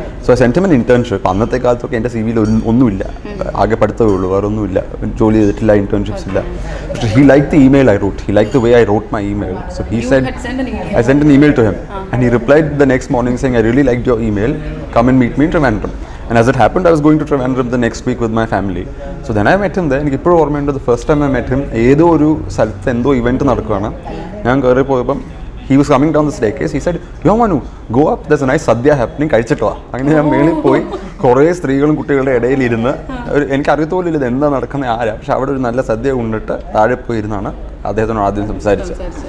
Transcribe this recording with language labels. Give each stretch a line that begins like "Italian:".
Malayalam: So sentiment internship അന്നത്തെ കാലത്തൊക്കെ എൻ്റെ സി വിയിൽ ഒന്നുമില്ല, ആകെ പഠിത്തമേ ഉള്ളൂ, വേറെ ഒന്നുമില്ല, ജോലി ചെയ്തിട്ടില്ല, ഇന്റേൺഷിപ്സ് ഇല്ല.
English: പക്ഷേ he like the email I wrote, he like the way I wrote my email. So he send I send an email to him and he replied the next morning saying I really like your email, come and meet me in Trivandrum. And as it happened, I was going to Travancore the next week with my family. So then I met him there.
Malayalam: എനിക്ക് ഇപ്പോഴും ഓർമ്മയുണ്ട്,
English: the first time I met him,
Malayalam: ഏതോ ഒരു സ്ഥലത്ത് എന്തോ event നടക്കുകയാണ്. ഞാൻ കയറി പോയപ്പം
English: He was coming down the staircase. He said yo Manu go up, there's a nice sadya happening, കഴിച്ചിട്ടോ.
Malayalam: അങ്ങനെ ഞാൻ മേളിൽ പോയി, കുറേ സ്ത്രീകളും കുട്ടികളുടെ ഇടയിലിരുന്ന് ഒരു എനിക്കറിയത്തോലില്ല ഇത് എന്താ നടക്കുന്നത് ആരാ, പക്ഷെ അവിടെ ഒരു നല്ല സദ്യ കൊണ്ടിട്ട് താഴെ പോയിരുന്നാണ് അദ്ദേഹത്തിനോട് ആദ്യം സംസാരിച്ചത്.